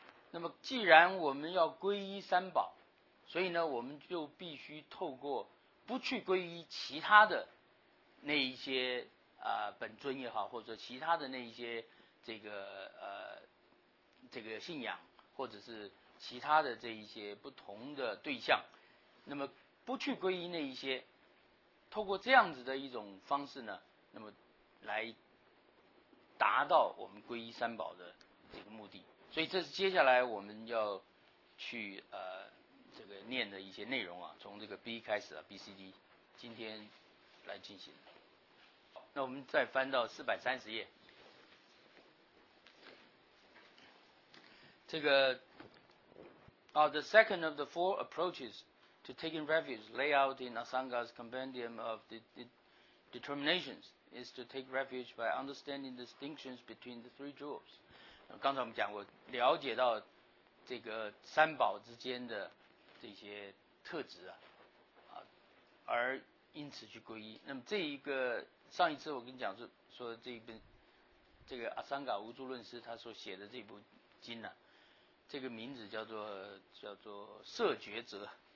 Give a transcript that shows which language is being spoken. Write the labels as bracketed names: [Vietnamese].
[Chinese] 那么既然我们要皈依三宝，所以呢我们就必须透过不去皈依其他的那一些本尊也好，或者其他的那一些这个信仰，或者是其他的这一些不同的对象，那么不去皈依那一些，透过这样子的一种方式呢，那么来达到我们皈依三宝的这个目的。所以这是接下来我们要去这个念的一些内容啊，从这个 B 开始啊 ，BCD， 今天来进行。那我们再翻到430页，这个 [English] the second of the four approaches to taking refuge lay out in Asanga's compendium of determinations is to take refuge by understanding the distinctions between the three jewels。 [Chinese] 刚才我们讲过，了解到这个三宝之间的这些特质啊，而因此去皈依。那么这一个上一次我跟你讲说这一本这个阿桑嘎无著论师他所写的这部经呢、啊，这个名字叫做摄觉则。